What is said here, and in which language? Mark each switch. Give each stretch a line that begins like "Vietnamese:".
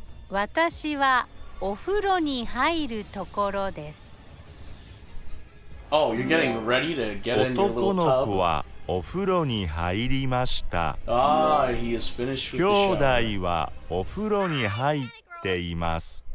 Japanese: 私はお風呂に入るところです。
English: Oh, you're getting ready to get in your little tub.
Japanese: 男の子はお風呂に入りました。
English: Ah, he is finished with the shower.
Japanese: 兄弟はお風呂に入っています。